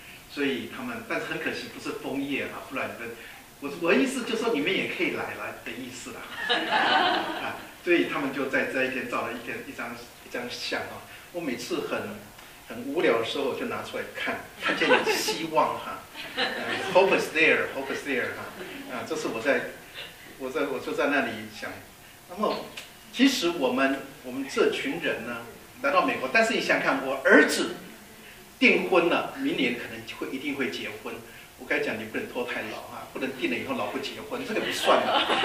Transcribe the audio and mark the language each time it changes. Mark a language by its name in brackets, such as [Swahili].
[Chinese] 所以他们，但是很可惜不是枫叶啊，不然我的意思就是说你们也可以来的意思啦。所以他们就在这一天照了一张相啊。我每次很无聊的时候，我就拿出来看见有希望哈。 [English] Hope is there, hope is there 哈。 [Chinese] 这是我就在那里想，那么其实我们这群人呢来到美国，但是你想看我儿子。订婚了，明年可能会一定会结婚。我该讲你不能拖太老啊，不能订了以后老不结婚，这个不算了。